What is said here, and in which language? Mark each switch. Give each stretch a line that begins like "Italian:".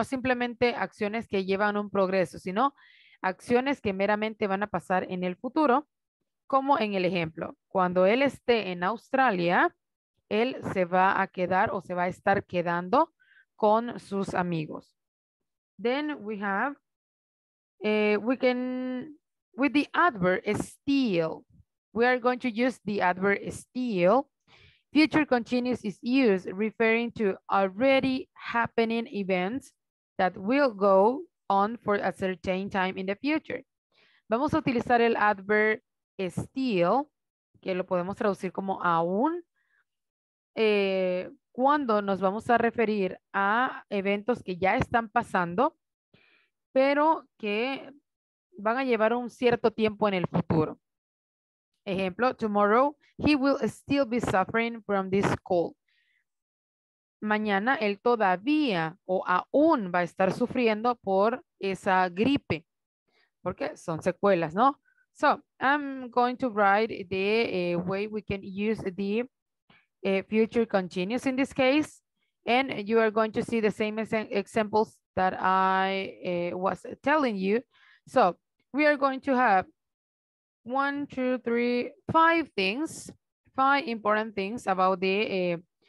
Spanish: No simplemente acciones que llevan un progreso, sino acciones que meramente van a pasar en el futuro, como en el ejemplo. Cuando él esté en Australia, él se va a quedar o se va a estar quedando con sus amigos.
English: Then we have, with the adverb still, we are going to use the adverb still. Future continuous is used referring to already happening events that will go on for a certain time in the future.
Spanish: Vamos a utilizar el adverb still, que lo podemos traducir como aún, cuando nos vamos a referir a eventos que ya están pasando, pero que van a llevar un cierto tiempo en el futuro. Ejemplo,
English: tomorrow he will still be suffering from this cold.
Spanish: Mañana él todavía o aún va a estar sufriendo por esa gripe, porque son secuelas, ¿no?
English: So, I'm going to write the way we can use the future continuous in this case, and you are going to see the same examples that I was telling you. So we are going to have 5 things, 5 important things about the